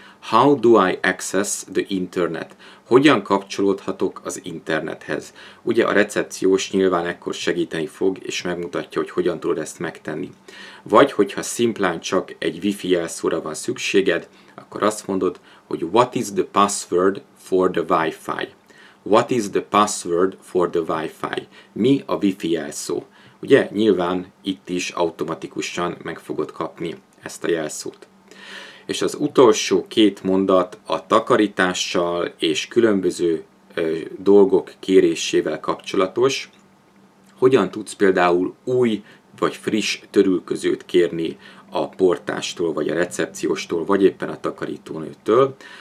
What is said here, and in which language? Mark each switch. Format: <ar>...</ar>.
<en>How do I access the internet?</en> <hu>Hogyan kapcsolódhatok az internethez? Ugye a recepciós nyilván ekkor segíteni fog, és megmutatja, hogy hogyan tudod ezt megtenni. Vagy hogyha szimplán csak egy wifi jelszóra van szükséged, akkor azt mondod, hogy</hu> <en>what is the password for the Wi-Fi? What is the password for the Wi-Fi?</en> <hu>Mi a wifi jelszó? Ugye nyilván itt is automatikusan meg fogod kapni ezt a jelszót. És az utolsó két mondat a takarítással és különböző dolgok kérésével kapcsolatos. Hogyan tudsz például új vagy friss törülközőt kérni a portástól, vagy a recepcióstól, vagy éppen a takarítónőtől?</hu>